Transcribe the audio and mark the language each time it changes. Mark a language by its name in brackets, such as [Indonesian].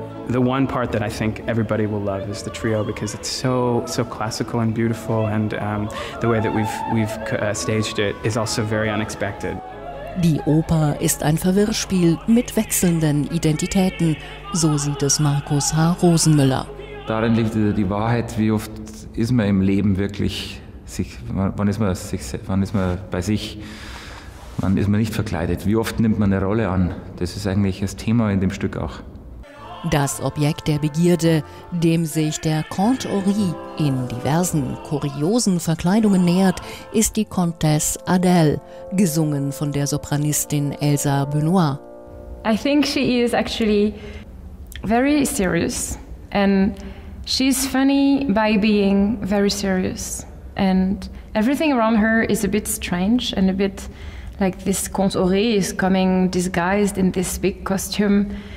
[English] The one part that I think everybody will love is the trio because it's so classical and beautiful, and the way that we've staged it is also very unexpected. [German] Die Oper ist ein Verwirrspiel mit wechselnden Identitäten, so sieht es Markus H. Rosenmüller. Darin liegt die Wahrheit, wie oft ist man im Leben wirklich sich, wann ist man bei sich? Wann ist man nicht verkleidet? Wie oft nimmt man eine Rolle an? Das ist eigentlich das Thema in dem Stück auch. Das Objekt der Begierde, dem sich der Conte Henri in diversen, kuriosen Verkleidungen nähert, ist die Comtesse Adèle, gesungen von der Sopranistin Elsa Benoit. [English] I think she is actually very serious and she's funny by being very serious. And everything around her is a bit strange and a bit like this Conte Henri is coming disguised in this big costume.